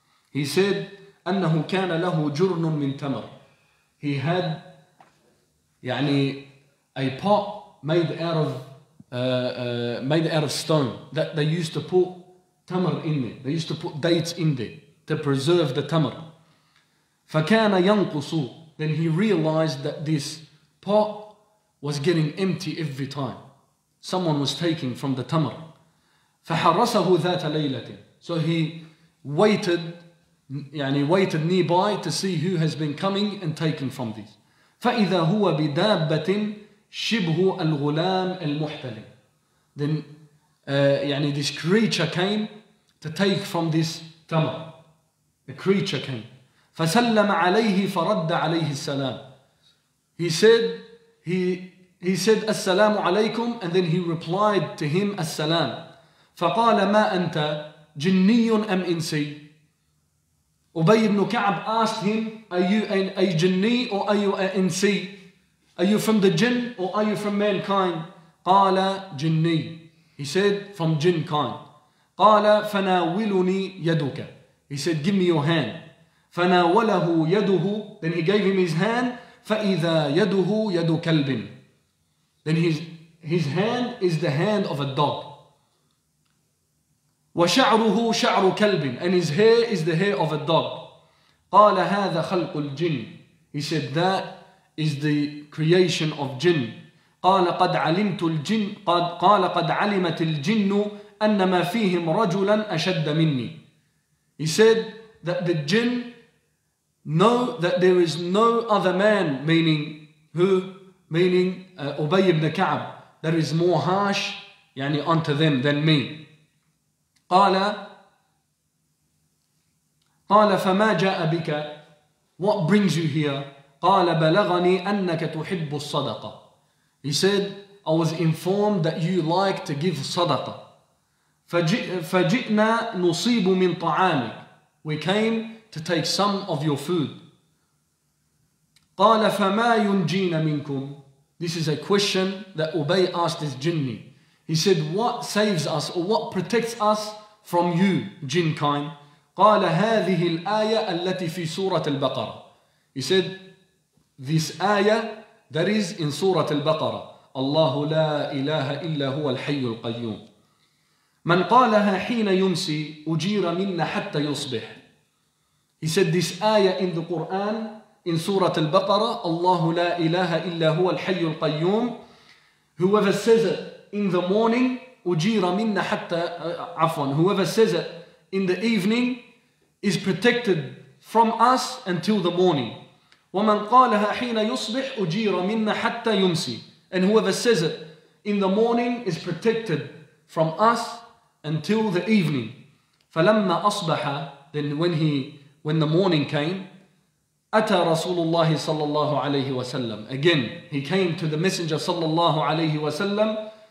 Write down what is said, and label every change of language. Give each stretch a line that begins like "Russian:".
English: He said,
Arabic: أنه كان له جرن من تمر.
English: He had يعني a pot made out of stone that they used to put tamar in there. They used to put dates in there to preserve the tamar.
Arabic: فكان ينقص.
English: Then he realized that this pot was getting empty every time. Someone was taking from the tamar.
Arabic: فحرسه ذات ليلة.
English: So he waited. يعني waited nearby to see who has been coming and taken from these.
Arabic: فإذا هو بدابة شبه الغلام المحتلم.
English: Then يعني this creature came to take from this tamar. The creature came.
Arabic: فسلم عليه فرد عليه السلام.
English: He said السلام عليكم, and then he replied to him السلام.
Arabic: فقال ما أنت جني أم إنسي.
English: Ubay ibn Ka'b asked him, are you a jinni or are you an insi? Are you from the jinn or are you from mankind?
Arabic: Qala jinni.
English: He said, from jinn kind.
Arabic: Qala fanawiluni yaduka.
English: He said, give me your hand.
Arabic: Fanawalahu yaduhu.
English: Then he gave him his hand.
Arabic: Fa'idha yaduhu yadu kalbin.
English: Then his hand is the hand of a dog.
Arabic: وشعره شعر كلب,
English: and his hair is the hair of a dog.
Arabic: قال هذا خلق الجن.
English: He said that is the creation of jinn.
Arabic: قال قد علمت الجن قد قال قد علمت الجن أن ما فيهم رجلا أشد مني.
English: He said that the jinn know that there is no other man, meaning who, meaning Ubay ibn Ka'b, that is more harsh يعني unto them than me.
Arabic: قال فما جاء بك,
English: what brings you here.
Arabic: قال بلغني أنك تحب الصدقة.
English: He said, I was informed that you like to give صدقة.
Arabic: فجئنا نصيب من طعامك.
English: We came to take some of your food.
Arabic: قال فما ينجين منكم.
English: This is a question that Ubay asked his jinni. He said, what saves us or what protects us from you, jinn kind.
Arabic: قال هذه الآية التي في سورة البقرة.
English: He said, this ayah that is in سورة البقرة.
Arabic: الله لا إله إلا هو الحي القيوم. من قالها حين يمسي أجير منا حتى يصبح.
English: He said, this ayah in the Quran, in سورة البقرة,
Arabic: الله لا إله إلا هو الحي القيوم.
English: Whoever says it in the morning,
Arabic: أجير منا حتى عفواً.
English: Whoever says it in the evening is protected from us until the morning.
Arabic: ومن قالها حين يصبح أجير منا حتى يمسي.
English: And whoever says it in the morning is protected from us until the evening.
Arabic: فلما أصبح,
English: then when the morning came,
Arabic: أتى رسول الله صلى الله عليه وسلم.
English: Again, he came to the Messenger صلى الله عليه وسلم.